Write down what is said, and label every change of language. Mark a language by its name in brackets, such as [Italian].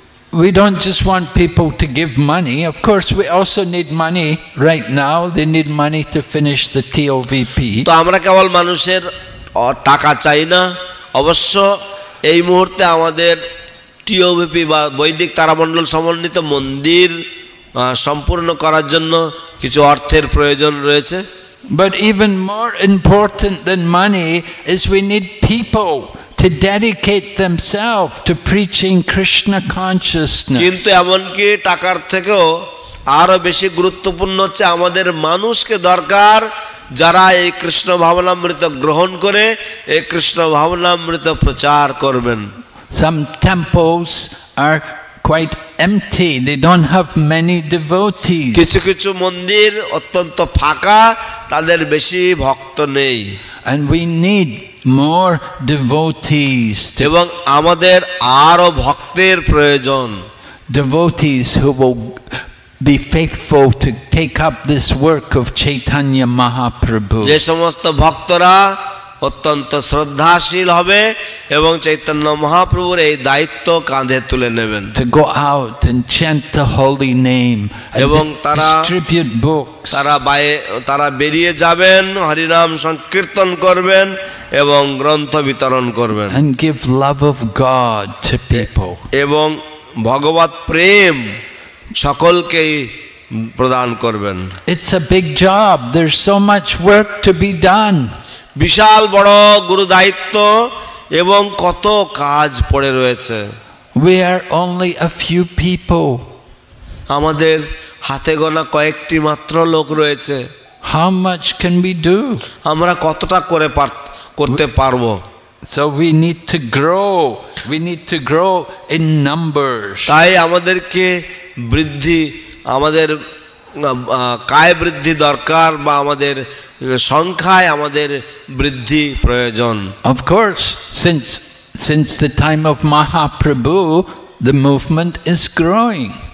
[English] We don't just want people to give money. Of course, we also need money right now. They need money to finish the TOVP. [Bangla] তো আমরা কেবল মানুষের টাকা চাই না, অবশ্য এই মুহূর্তে আমাদের টিওভিপি বা বৈদিক তারামণ্ডল সমন্বিত মন্দির সম্পূর্ণ করার জন্য কিছু অর্থের প্রয়োজন রয়েছে। [English] But even more important than money is we need people to dedicate themselves to preaching Krishna consciousness. [Bangla] কিন্তু এমনকি টাকার থেকেও আরো বেশি গুরুত্বপূর্ণ হচ্ছে আমাদের মানুষকে দরকার যারা এই কৃষ্ণ ভাবনামৃত গ্রহণ করে এই কৃষ্ণ ভাবনামৃত প্রচার করবেন। [English] Some temples are quite empty. They don't have many devotees. [Bangla] কিছু কিছু মন্দির অত্যন্ত ফাঁকা, তাদের বেশি ভক্ত নেই। [English] And we need more devotees. [Bangla] এবং আমাদের আরো ভক্তের প্রয়োজন। [English] Devotees who will be faithful to take up this work of Chaitanya Mahaprabhu. [Bangla] যে সমস্ত ভক্তরা অত্যন্ত শ্রদ্ধাশীল হবে এবং চৈতন্য মহাপ্রভুর এই দায়িত্ব কাঁধে তুলে নেবেন। [English] To go out and chant the holy name [Bangla] এবং তারা [English] distribute books. [Bangla] তারা বেরিয়ে যাবেন, হরিনাম সংকীর্তন করবেন এবং গ্রন্থ বিতরণ করবেন। [English] And give love of God to people. [Bangla] এবং ভগবত প্রেম সকলকেই প্রদান করবেন। [English] It's a big job. There's so much work to be done. [Bangla] বিশাল বড় গুরু দায়িত্ব এবং কত কাজ পড়ে রয়েছে। [English] We are only a few people. [Bangla] আমাদের হাতে গোনা কয়েকটি মাত্র লোক রয়েছে। [English] How much can we do? [Bangla] আমরা কতটা করতে পারবো? [English] So we need to grow. We need to grow in numbers. [Bangla] তাই আমাদেরকে বৃদ্ধি, আমাদের কায় বৃদ্ধি দরকার বা আমাদের সংখ্যায় আমাদের বৃদ্ধি প্রয়োজন। [English] Of course, since the time of Mahaprabhu, the movement is growing.